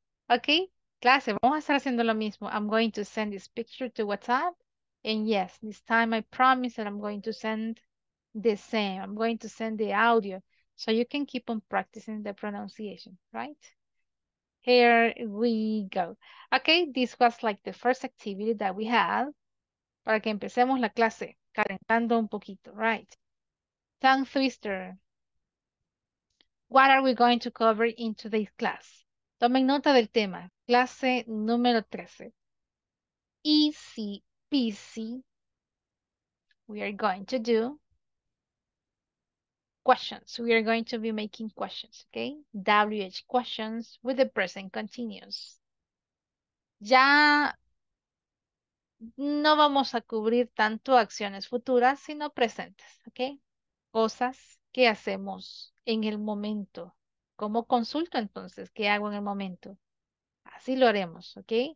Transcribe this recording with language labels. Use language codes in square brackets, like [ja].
[es] Okay, clase, vamos a estar haciendo lo mismo. [en] I'm going to send this picture to WhatsApp. And yes, this time I promise that I'm going to send the same. I'm going to send the audio so you can keep on practicing the pronunciation, right? Here we go. Okay, this was like the first activity that we had. [es] Para que empecemos la clase, calentando un poquito, [en] right? Tongue twister. What are we going to cover in today's class? [es] Tomen nota del tema, clase número 13. [en] Easy peasy, we are going to do questions. We are going to be making questions, okay? WH questions with the present continuous. [es] ya no vamos a cubrir tanto acciones futuras, sino presentes, ¿ok? Cosas que hacemos en el momento. ¿Cómo consulto entonces? ¿Qué hago en el momento? Así lo haremos, ¿ok?